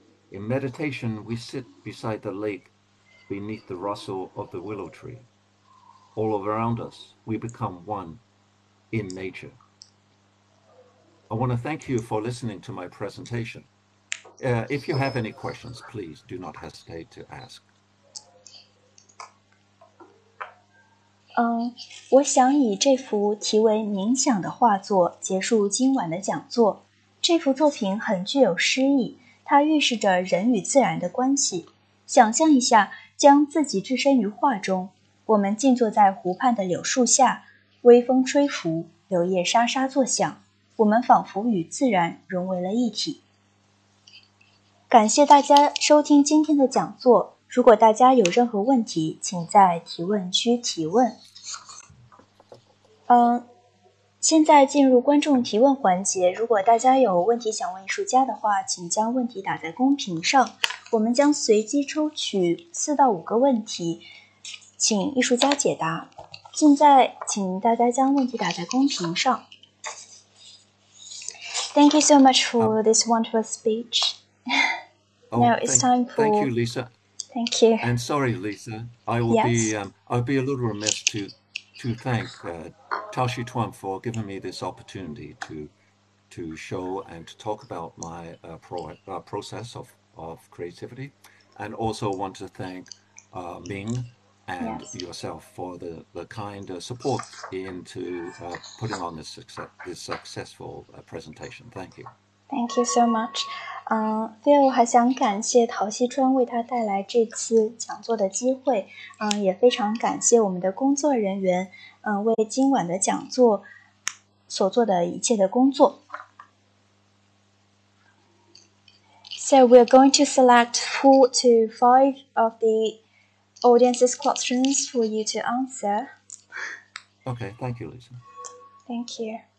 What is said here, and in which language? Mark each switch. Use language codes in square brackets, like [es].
[en] In meditation, we sit beside the lake beneath the rustle of the willow tree. All around us, we become one in nature. I want to thank you for listening to my presentation. If you have any questions, please do not hesitate to ask. [zh] 我想以这幅题为《冥想》的画作结束今晚的讲座。这幅作品很具有诗意，它预示着人与自然的关系。想象一下，将自己置身于画中，我们静坐在湖畔的柳树下，微风吹拂，柳叶沙沙作响，我们仿佛与自然融为了一体。感谢大家收听今天的讲座。如果大家有任何问题，请在提问区提问。现在进入观众提问环节。如果大家有问题想问艺术家的话，请将问题打在公屏上。我们将随机抽取4到5个问题，请艺术家解答。现在，请大家将问题打在公屏上。 [en] Thank you so much for this wonderful speech. Now it's time for. Thank you, Lisa. Thank you. And sorry, Lisa, I will yes. be, I'll be a little remiss to thank Taoxichuan for giving me this opportunity to show and to talk about my process of creativity. And also want to thank Ming and yes. yourself for the kind support into putting on this successful presentation. Thank you. Thank you so much. [zh] Phil 还想感谢陶西川为他带来这次讲座的机会，也非常感谢我们的工作人员，为今晚的讲座所做的一切的工作。 [en] So we're going to select 4 to 5 of the audience's questions for you to answer. Okay, thank you, Lisa. Thank you.